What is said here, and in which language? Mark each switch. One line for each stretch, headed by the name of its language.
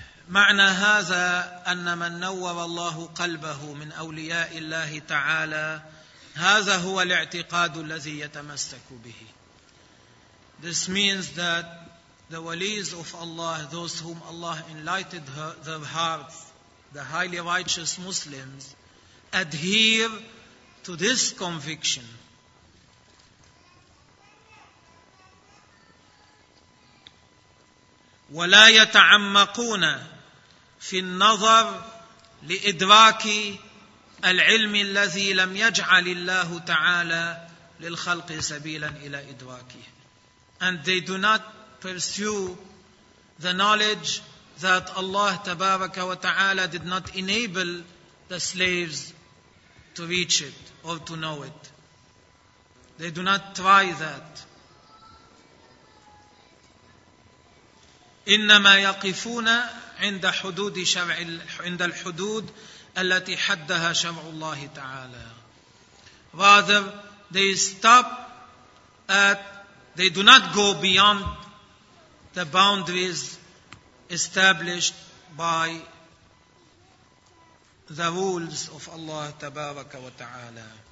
Arabic: معنى هذا أن من نور الله قلبه من أولياء الله تعالى هذا هو الاعتقاد الذي يتمسك به.
English: This means that the walis of Allah, those whom Allah enlightened their hearts, the highly righteous Muslims, adhere to this conviction.
Arabic: ولا يتعمقون في النظر لإدراك العلم الذي لم يجعل الله تعالى للخلق سبيلا إلى إدراكه.
English: And they do not pursue the knowledge that Allah
Arabic: تبارك وتعالى
English: did not enable the slaves to reach it or to know it. They do not try that.
Arabic: إنما يقفون عند حدود شرع عند الحدود التي حدها شرع الله تعالى.
English: Rather, they stop at, they do not go beyond the boundaries established by the rules of Allah
Arabic: Tabaraka wa Ta'ala.